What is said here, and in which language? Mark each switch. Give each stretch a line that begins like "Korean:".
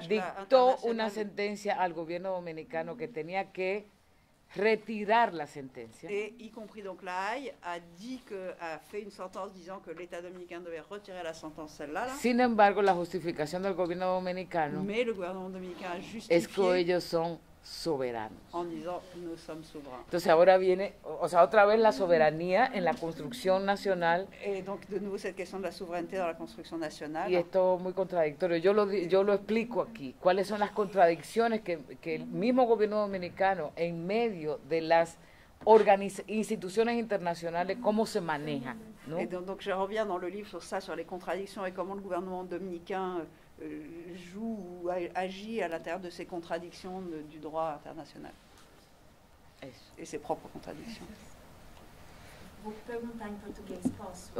Spanish: dictó una sentencia al gobierno dominicano que tenía que retirar la sentencia.
French: Et y compris donc la Haya a dit que a fait une sentence disant que l'État dominicain devait retirer la sentence celle-là.
Spanish: Sin embargo, la justificación del gobierno dominicano es que ellos son soberanos.
French: En disant, nous sommes souverains.
Spanish: Entonces ahora viene, o sea, otra vez la soberanía en la construcción nacional.
French: Donc, de nouveau, cette question de la souveraineté dans la construction nationale.
Spanish: Y esto es muy contradictorio. Yo lo explico aquí. ¿Cuáles son las contradicciones que el mismo gobierno dominicano, en medio de las instituciones internacionales, cómo se maneja? ¿No?
French: Donc, je reviens dans le livre sur ça, sur les contradictions et comment le gouvernement dominicain joue ou agit à l'intérieur de ces contradictions du droit international et ses propres contradictions.
Portuguese: Vou perguntar em português, posso?